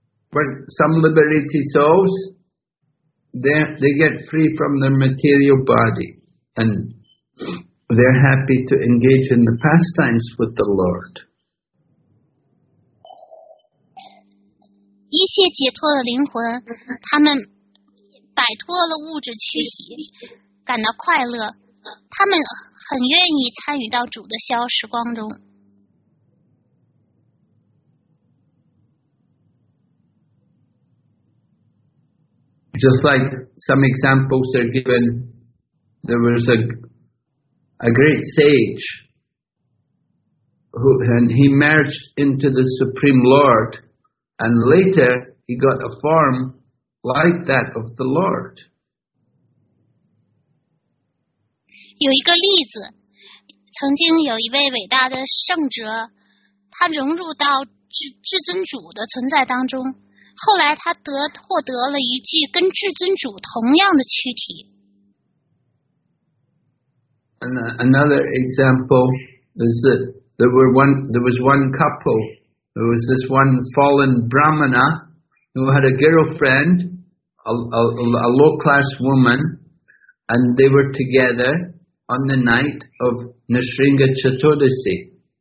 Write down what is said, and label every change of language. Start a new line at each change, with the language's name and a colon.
English: But some liberated souls, they get free from their material body, and they're happy to engage in the pastimes with the Lord.
Chinese: 一些解脱的灵魂，他们摆脱了物质躯体，感到快乐，他们很愿意参与到主的消时光中。
English: Just like some examples are given, there was a great sage who, and he merged into the Supreme Lord, and later he got a form like that of the Lord.
Chinese: 有一个例子，曾经有一位伟大的圣哲，他融入到至尊主的存在当中。后来他获得了一具跟至尊主同样的躯体。
English: Another example is that there was one couple. There was this one fallen Brahmana who had a girlfriend, a low class woman, and they were together on the night of Nrisimha Chaturdasi.